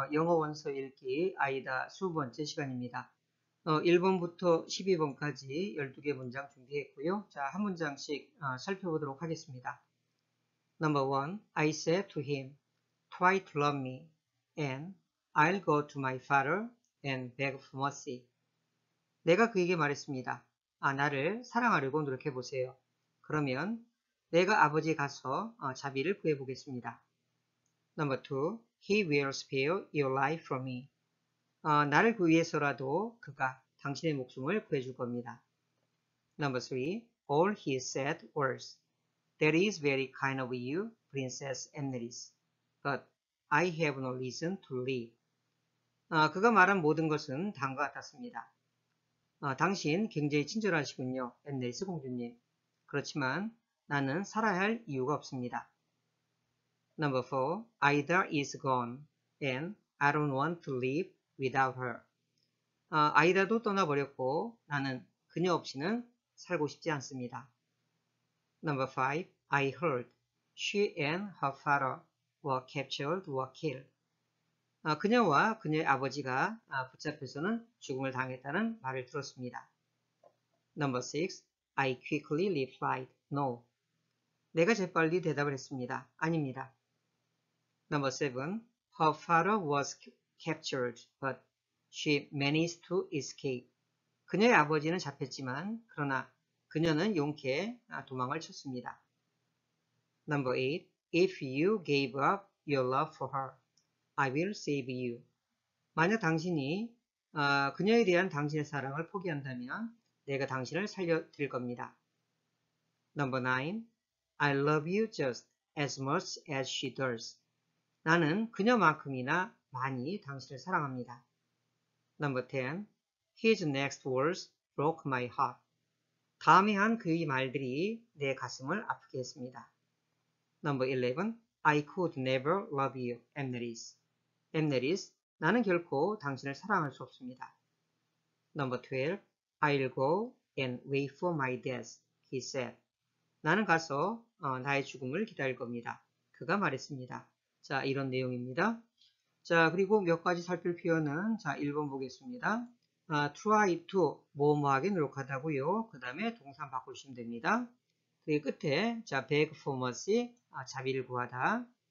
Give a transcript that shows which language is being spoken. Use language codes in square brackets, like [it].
[ko] 영어 원서 읽기 아이다 수 번째 시간입니다. 1번부터 12번까지 12개 문장 준비했고요. 자, 한 문장씩 살펴보도록 하겠습니다. [en] Number one, I said to him, Try to love me, and I'll go to my father and beg for mercy. [ko] 내가 그에게 말했습니다. 아, 나를 사랑하려고 노력해보세요. 그러면 내가 아버지에 가서 자비를 구해보겠습니다. [en] Number two, he will spare your life for me. [ko] 나를 위해서라도 그가 당신의 목숨을 구해줄 겁니다. [en] Number three, all he said was, That is very kind of you, Princess Amneris, but I have no reason to leave. [ko] 그가 말한 모든 것은 다음과 같았습니다. 당신 굉장히 친절하시군요, 앤네리스 공주님. 그렇지만 나는 살아야 할 이유가 없습니다. [en] Number four, Aida is gone, and I don't want to live without her. [ko] 아이다도 떠나버렸고, 나는 그녀 없이는 살고 싶지 않습니다. [en] Number five, I heard she and her father were captured or killed. [ko] 그녀와 그녀의 아버지가 붙잡혀서는 죽음을 당했다는 말을 들었습니다. [en] Number six, I quickly replied, no. [ko] 내가 재빨리 대답을 했습니다. 아닙니다. [en] Number seven, her father was captured, but she managed to escape. [ko] 그녀의 아버지는 잡혔지만, 그러나 그녀는 용케 도망을 쳤습니다. [en] Number eight, if you gave up your love for her, I will save you. [ko] 만약 당신이 그녀에 대한 당신의 사랑을 포기한다면, 내가 당신을 살려드릴 겁니다. [en] Number nine, I love you just as much as she does. [ko] 나는 그녀만큼이나 많이 당신을 사랑합니다. [en] Number 10. His next words broke my heart. [ko] 다음에 한 그의 말들이 내 가슴을 아프게 했습니다. [en] Number 11. I could never love you, Amneris. [ko] Amneris, 나는 결코 당신을 사랑할 수 없습니다. [en] Number 12. I'll go and wait for my death, he said. [ko] 나는 가서 나의 죽음을 기다릴 겁니다. 그가 말했습니다. 자, 이런 내용입니다. 자, 그리고 몇 가지 살필 표현은, 자, 1번 보겠습니다. try to, 뭐뭐하게 노력하다고요. 그 다음에 동사 바꾸시면 됩니다. 그 끝에, 자, beg for mercy, 자비를 구하다.